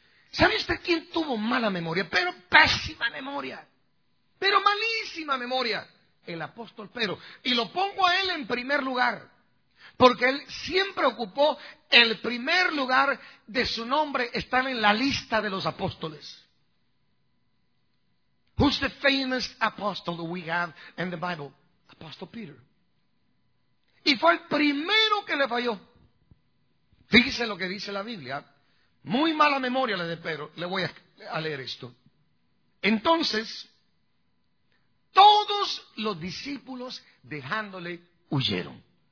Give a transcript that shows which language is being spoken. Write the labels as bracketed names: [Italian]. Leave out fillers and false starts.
[Spanish] ¿Sabe usted quién tuvo mala memoria? Pero pésima memoria. Pero malísima memoria. El apóstol Pedro. Y lo pongo a él en primer lugar. Porque él siempre ocupó el primer lugar de su nombre estar en la lista de los apóstoles. [English] Who's the famous apostle that we have in the Bible? Apostle Peter. [Spanish] Y fue el primero que le falló. Fíjese lo que dice la Biblia. Muy mala memoria la de Pedro. Le voy a leer esto. Entonces, todos los discípulos dejándole huyeron.